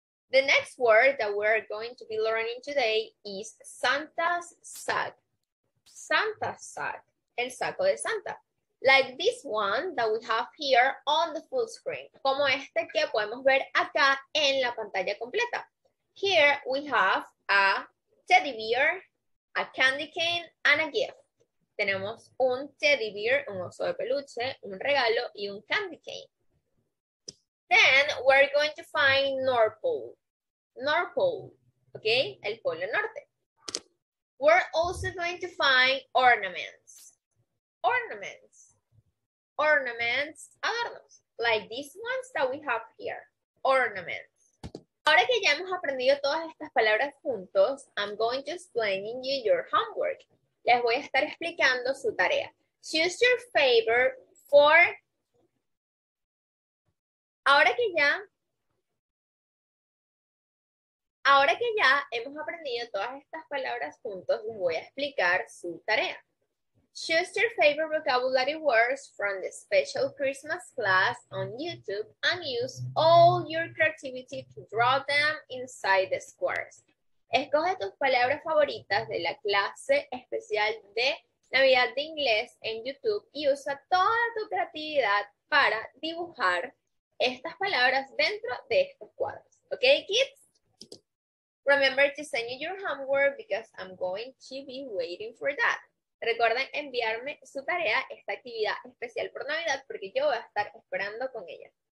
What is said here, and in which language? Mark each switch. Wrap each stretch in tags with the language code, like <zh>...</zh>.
<en>The next word that we're going to be learning today is Santa's sack. Santa's sack,</en> <es>el saco de Santa.</es> <en>Like this one that we have here on the full screen.</en> <es>Como este que podemos ver acá en la pantalla completa.</es> <en>Here we have a teddy bear, a candy cane and a gift.</en> <es>Tenemos un teddy bear, un oso de peluche, un regalo y un candy cane.</es> <en>Then we're going to find North Pole. North Pole, okay,</en> <es>el polo norte.</es> <en>We're also going to find ornaments. Ornaments. Ornaments, adornos. Like these ones that we have here. Ornaments.</en> <es>Ahora que ya hemos aprendido todas estas palabras juntos,</es> <en>I'm going to explain you your homework.</en> <es>Les voy a estar explicando su tarea.</es> <en>Choose your favorite four.</en> <es>Ahora que ya hemos aprendido todas estas palabras juntos, les voy a explicar su tarea.</es> <en>Choose your favorite vocabulary words from the special Christmas class on YouTube and use all your creativity to draw them inside the squares.</en> <es>Escoge tus palabras favoritas de la clase especial de Navidad de Inglés en YouTube y usa toda tu creatividad para dibujar estas palabras dentro de estos cuadros.</es> <en>¿Ok, kids? Remember to send me your homework because I'm going to be waiting for that.</en> <es>Recuerden enviarme su tarea, esta actividad especial por Navidad, porque yo voy a estar esperando con ella.</es>